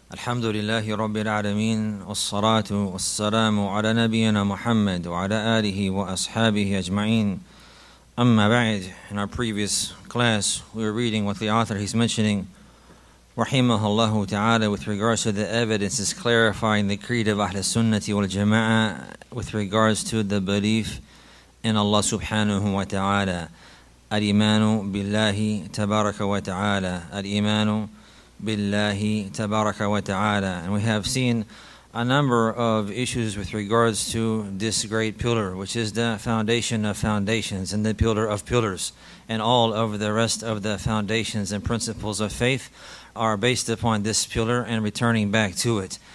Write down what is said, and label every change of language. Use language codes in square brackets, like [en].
[ar] الحمد لله رب العالمين والصلاة والسلام على نبينا محمد وعلى آله وأصحابه أجمعين أما بعد. [en] In our previous class, we were reading what the author he's mentioning, رحمه الله تعالى, with regards to the evidences clarifying the creed of أهل السنة والجماعة with regards to the belief in Allah سبحانه وتعالى. [ar] الإيمان بالله تبارك وتعالى. الإيمان بِاللَّهِ تَبَارَكَ وَتَعَالَى. [en] And we have seen a number of issues with regards to this great pillar, which is the foundation of foundations and the pillar of pillars. And all of the rest of the foundations and principles of faith are based upon this pillar and returning back to it.